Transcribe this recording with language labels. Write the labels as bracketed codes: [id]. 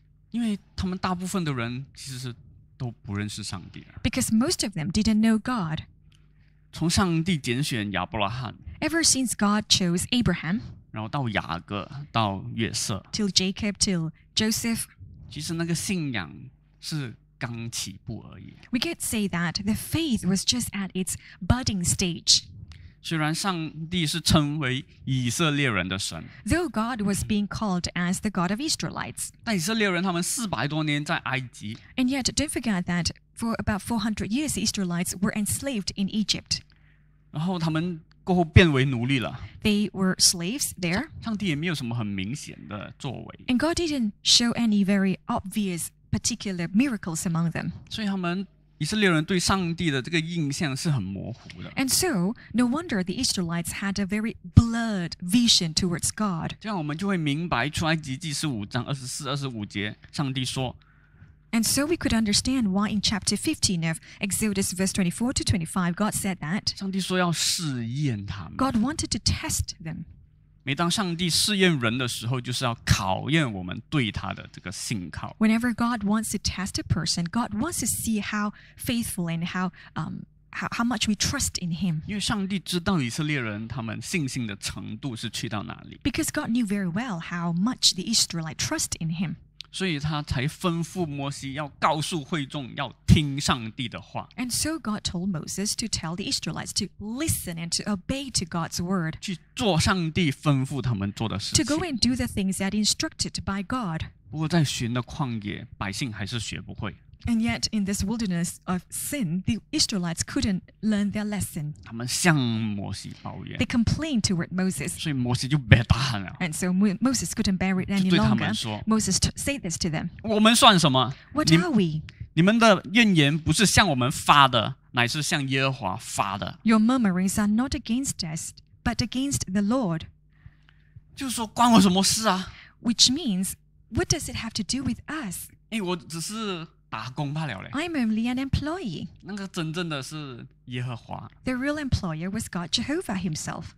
[zh] 因为他们大部分的人其实都不认识上帝。 [en] Because most of them didn't know God. [zh] 从上帝拣选亚伯拉罕， [en] Ever since God chose Abraham, [zh] 然后到雅各，到约瑟， [en] till Jacob, till Joseph, [zh] 其实那个信仰是刚起步而已。 [en] We could say that the faith was just at its budding stage. [zh] 虽然上帝是称为以色列人的神， [en] Though God was being called as the God of Israelites, [zh] 但以色列人他们400多年在埃及， [en] And yet, don't forget that For about 400 years, the Israelites were enslaved in Egypt. [zh] 然后他们过后变为奴隶了。 [en] They were slaves there. [zh] 上帝也没有什么很明显的作为。 [en] And God didn't show any very obvious particular miracles among them. [zh] 所以他们以色列人对上帝的这个印象是很模糊的。 [en] And so, no wonder the Israelites had a very blurred vision towards God. [zh] 这样我们就会明白出埃及记十五章二十四、二十五节，上帝说。 [en] And so we could understand why in chapter 15 of Exodus verse 24 to 25, God said that [zh] 上帝说要试验他们。 [en] God wanted to test them. [zh] 每当上帝试验人的时候，就是要考验我们对他的这个信靠。 [en] Whenever God wants to test a person, God wants to see how faithful and how much we trust in him. [zh] 因为上帝知道以色列人他们信心的程度是去到哪里。 [en] Because God knew very well how much the Israelites trust in him. [zh] 所以他才吩咐摩西要告诉会众要听上帝的话。 [en] And so God told Moses to tell the Israelites to listen and to obey to God's word. [zh] 去做上帝吩咐他们做的事情。 [en] To go and do the things that instructed by God. [zh] 不过在旷野旷野百姓还是学不会。 [en] And yet in this wilderness of sin, the Israelites couldn't learn their lesson. [zh] 他们向摩西抱怨。 [en] They complained toward Moses. [zh] 所以摩西就没大喊了。 [en] And so Moses couldn't bear it any longer. [zh] 就对他们说。 [en] Moses said this to them. [zh] 我们算什么？ [en] What are we? [zh] 你们的怨言不是向我们发的，乃是向耶和华发的。 [en] Your murmurings are not against us, but against the Lord. [zh] 就是说关我什么事啊？ [en] Which means, what does it have to do with us? [zh] 诶，我只是打工罢了 [en] 嘞。I'm only an employee. [zh] 那个真正的是耶和华。 [en] The real employer was God Jehovah himself.